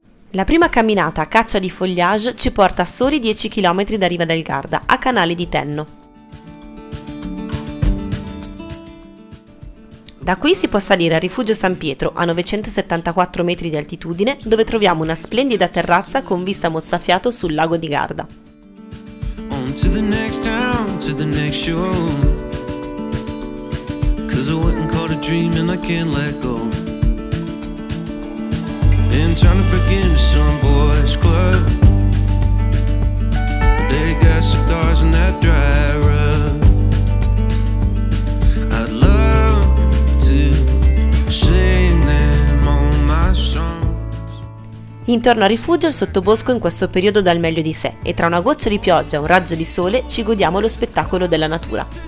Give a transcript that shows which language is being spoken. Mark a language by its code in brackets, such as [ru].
[it] La prima camminata a caccia di foliage ci porta a soli 10 km da Riva del Garda, a Canale di Tenno. Da qui si può salire al Rifugio San Pietro, a 974 metri di altitudine, dove troviamo una splendida terrazza con vista mozzafiato sul lago di Garda. [en] On to the next town, to the next show. Cause I went and caught a dream and I can't let go. And trying to break into some boys club. They got cigars in that dry rug. I'd love to sing them on my songs. [it] Intorno al rifugio il sottobosco in questo periodo dà il meglio di sé e tra una goccia di pioggia e un raggio di sole ci godiamo lo spettacolo della natura.